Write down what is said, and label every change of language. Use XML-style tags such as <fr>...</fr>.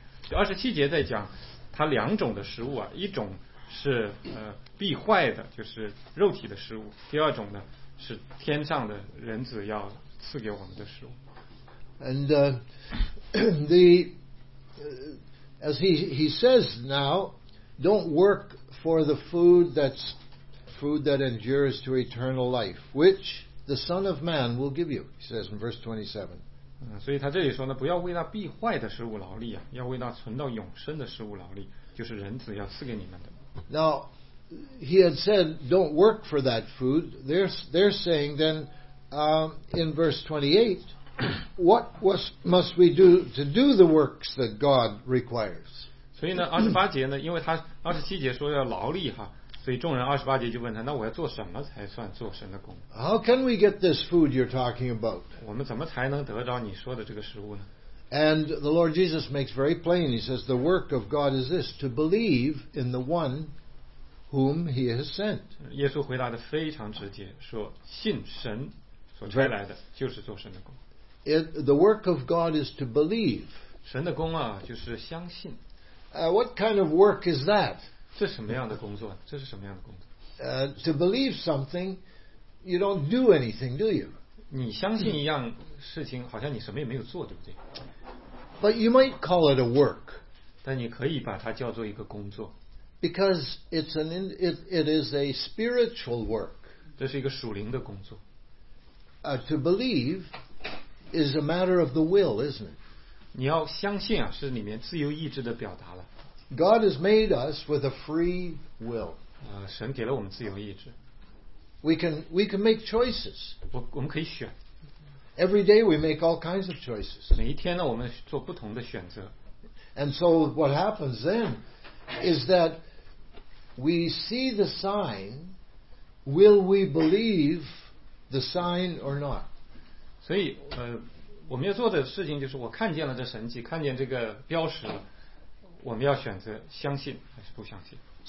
<zh>27节在讲它两种的食物啊，一种是必坏的，就是肉体的食物；第二种呢是天上的人子要赐给我们的食物。</zh> <en>And the as he says now, don't work for the food that endures to eternal life, which the Son of Man will give you, he says in verse 27.</en> <zh>所以他这里说呢，不要为那必坏的食物劳力啊，要为那存到永生的食物劳力，就是人子要赐给你们的。</zh> <en>Now, he had said, don't work for that food. They're saying then, in verse 28, what must we do to do the works that God requires?</en> <zh>所以呢，二十八节呢，因为他二十七节说要劳力哈。所以众人二十八节就问他，那我要做什么才算做神的工？</zh> <en>How can we get this food you're talking about?</en> <zh>我们怎么才能得着你说的这个食物呢？</zh> <en>And the Lord Jesus makes very plain, he says, the work of God is this, to believe in the one whom he has sent.</en> <zh>耶稣回答的非常直接，说信神所差来的就是做神的工。</zh> <en>The work of God is to believe.</en> <zh>神的工啊，就是相信。</zh> <en>What kind of work is that?</en> <zh>这是什么样的工作？这是什么样的工作？</zh> <en>To believe something, you don't do anything, do you?</en> <zh>你相信一样事情，好像你什么也没有做，对不对？</zh> <en>But you might call it a work.</en> <zh>但你可以把它叫做一个工作。</zh> <en>Because it is a spiritual work.</en> <zh>这是一个属灵的工作。</zh> <en>To believe is a matter of the will, isn't it?</en> <zh>你要相信啊，是里面自由意志的表达了。</zh> <en>God has made us with a free will.</en> <zh>神给了我们自由意志。</zh> <en>We can make choices.</en> <zh>我们可以选。</zh> <en>Every day we make all kinds of choices.</en> <zh>每一天呢，我们做不同的选择。</zh> <en>And so what happens then is that we see the sign. Will we believe the sign or not?</en> <zh>所以我们要做的事情就是我看见了这神迹，看见这个标识。我们要选择相信还是不相信。</zh>